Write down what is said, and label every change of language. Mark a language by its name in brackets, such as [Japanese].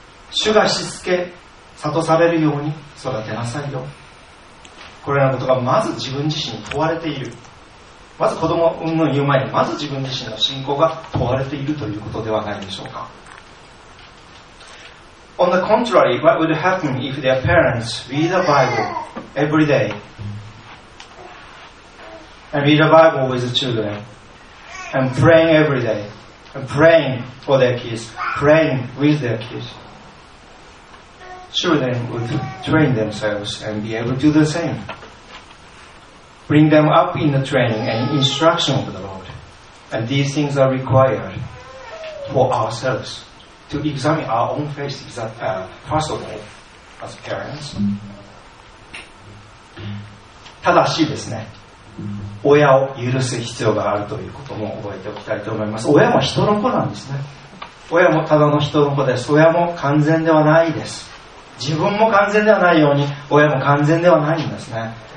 [Japanese] 主がしつけ諭されるように育てなさいよ。これらのことがまず自分自身に問われている、まず子供を産む言う前にまず自分自身の信仰が問われているということではないでしょうか。 [English] On the contrary, what would happen if their parents read the Bible every day and read the Bible with the children and praying every day and praying for their kids, praying with their kids? Children would train themselves and be able to do the same. Bring them up in the training and instruction of the Lord. And these things are required for ourselves to examine our own faith, first of all, as parents. [Japanese] ただしですね、親を許す必要があるということも覚えておきたいと思います。親も人の子なんですね。親もただの人の子です。親も完全ではないです。自分も完全ではないように、親も完全ではないんですね。